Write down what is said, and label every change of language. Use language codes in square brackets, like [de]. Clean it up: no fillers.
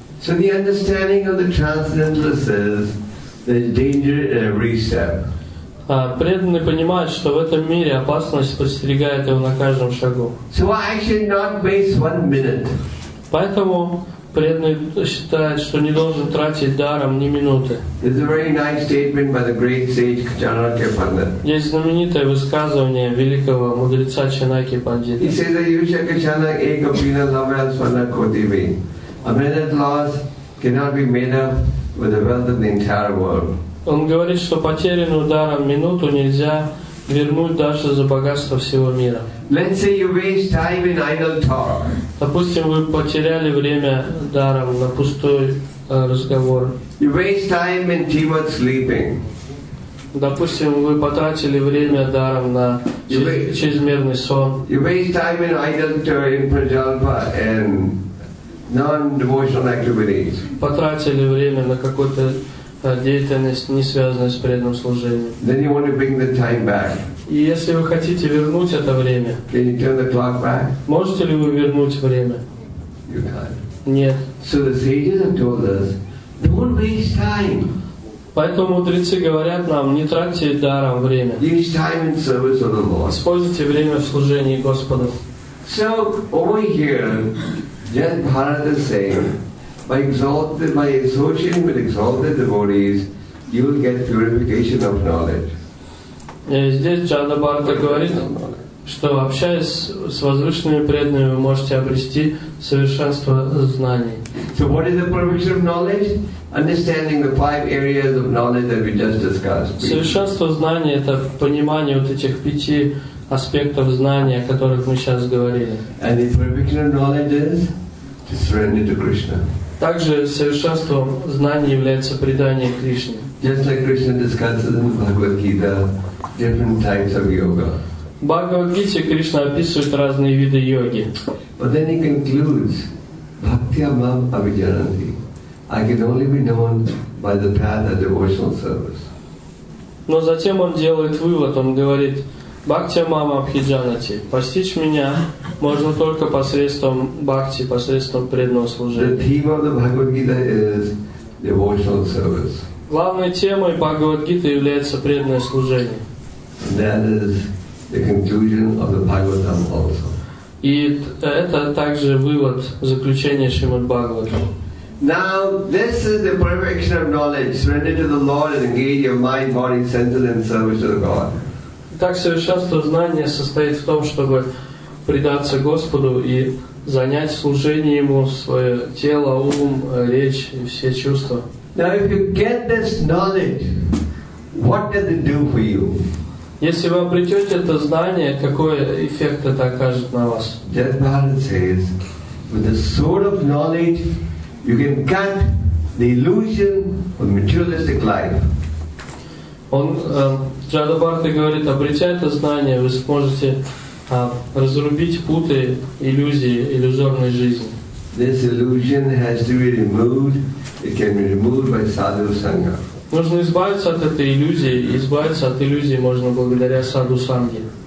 [en] So the understanding of the transcendental says, there's danger in every step. [ru] Преданный понимает, что в этом мире опасность подстерегает его на каждом шагу. [en] So I should not waste 1 minute. [ru] Поэтому преданный считает, что не должен тратить даром ни минуты. [en] It's a very nice statement by the great sage Chanakya Pandit. [ru] Есть знаменитое высказывание великого мудреца Чанаки Пандита. [en] He says that [sa] Yushaka Chana Ekapina Lavas Vanakotivi. [en] A minute loss cannot be made up with the wealth of the entire world. [ru] Он говорит, что потерянную даром минуту нельзя вернуть даже за богатство всего мира. [en] Let's say you waste time in idle talk. [ru] Допустим, вы потеряли время даром на пустой разговор. [en] You waste time in too much sleeping. [ru] Допустим, вы потратили время даром на чрезмерный сон. [en] You waste time in idle talk, in prajalpa, and non-devotional activities. [ru] Потратили время на какой-то деятельность, не связанная с преданным служением. [en] Then you want to bring the time back. [ru] И если вы хотите вернуть это время, [en] can you turn the clock back? [ru] Можете ли вы вернуть время? [en] You can't. [ru] Нет. [en] So the sages have told us, don't waste time. [ru] Поэтому мудрецы говорят нам, не тратьте даром время. [en] Use time in service of the Lord. [ru] Используйте время в служении Господу. [en] So over here, Jan Bharat is saying, by associating with exalted devotees, you will get purification of knowledge. [ru] И здесь Джанна Бхарата говорит, что общаясь с возвышенными преданными, вы можете обрести совершенство знаний. [en] So what is the purification of knowledge? Understanding the 5 areas of knowledge that we just discussed. [ru] Совершенство знаний — это понимание вот этих 5 аспектов знания, о которых мы сейчас говорили. [en] And the purification of knowledge is to surrender to Krishna. [ru] Также совершенством знаний является предание Кришне. [en] Just like Krishna discusses in Bhagavad Gita different types of yoga. [ru] В Бхагавад Гите Кришна описывает разные виды йоги. [en] But then he concludes, [sa] Bhaktya mam avijananti. [en] I can only be known by the path of devotional service. [ru] Но затем он делает вывод, он говорит, [sa] Бхактия мама абхиджанати. [ru] Постичь меня можно только посредством бхакти, посредством преданного служения. [en] The theme of the Bhagavad Gita is devotional service. [ru] Главной темой Бхагавад Гиты является преданное служение. [en] And that is the conclusion of the Bhagavatam also. [ru] И это также вывод заключения Шримад Бхагаватам. [en] Now this is the perfection of knowledge. Surrender to the Lord and engage your mind, body, senses in service to the God. [ru] Так совершенство знания состоит в том, чтобы предаться Господу и занять служение Ему свое тело, ум, речь и все чувства. [en] Now, if you get this knowledge, what does it do for you? [ru] Если вы обретете это знание, какой эффект это окажет на вас? [en] Jan Bharat says, with the sword of knowledge, you can cut the illusion of materialistic life. [ru] Он, Джада Бхарта говорит, обретя это знание, вы сможете разрубить путы иллюзии, иллюзорной жизни. [en] This illusion has to be removed. It can be removed by sadhu sangha. [ru] Нужно избавиться от этой иллюзии, и избавиться от иллюзии можно благодаря саду санги.